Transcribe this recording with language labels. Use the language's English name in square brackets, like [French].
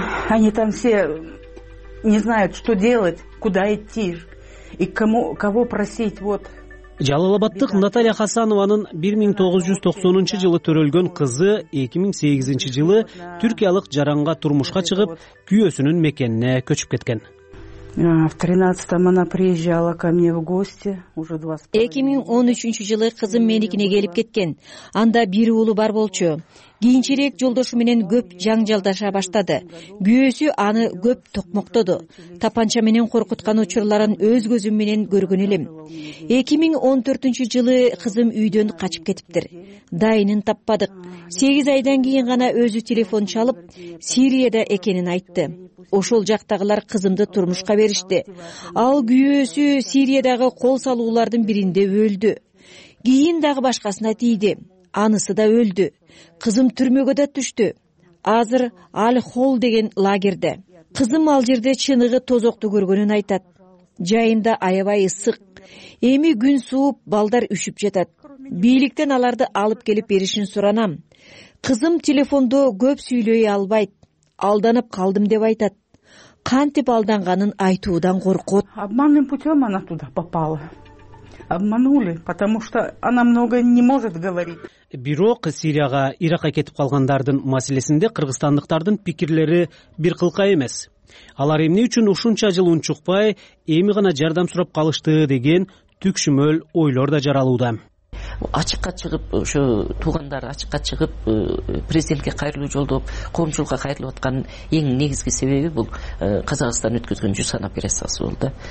[Russian] Они там все не знают, что делать, куда идти и кого просить. Вот. [Kyrgyz] Жалал-Абадтык Наталья Хасанованын 1990 жылы төрөлгөн кызы 2008 жылы түркиялык жаранга турмушка чыгып, күйөөсүнүн мекенине көчүп кеткен. [Russian] В 13-м она приезжала ко мне в гости. [Kyrgyz] 2013 жылы кызым меникине келип кеткен. Анда бир уулу бар болчу. Кийинчерээк жолдошу менен көп жаңжалдаша баштады. Күйөөсү аны көп токмоктоду. Тапанча менен коркуткан учурларын өз көзүм менен көргөн элем. 2014 жылы кызым үйдөн качып кетиптир. Дайынын таппадык. 8 айдан кийин гана өзү телефон чалып, Сирияда экенин айтты. Ошол жактагылар кызымды турмушка беришти. Ал күйөөсү Сириядагы кол салуулардын биринде өлдү. Кийин дагы башкасына тийди. Анысы да өлдү. Кызым түрмөгө да түштү. Азыр Аль-Хол деген лагерде. Кызым ал жерде чыныгы тозокту көргөнүн айтат. Жайында аябай ысык. Эми күн сууп, балдар үшүп жатат. Бийликтен аларды алып келип беришин суранам. Кызым телефондо көп сүйлөй албайт. Алданып калдым деп айтат. Кантип алданганын айтуудан коркот. [Russian] Обманным путём она туда попала. Обманули, потому что она много не может говорить. [Kyrgyz] Бирок Сирияга Иракка кетип калгандардын маселесинде кыргызстандыктардын пикирлери бир кылка эмес. Алар эмне үчүн ушунча жыл унчукпай, эми гана жардам сурап калышты деген түкшүмөл ойлор да жаралууда. Ачыкка чыгып, ошо туугандар ачыкка чыгып, президентке кайрылуу жолдоп, коомчулукка кайрылып аткан эң негизги себеби бул Казакстан өткөзгөн жусан операциясы болду.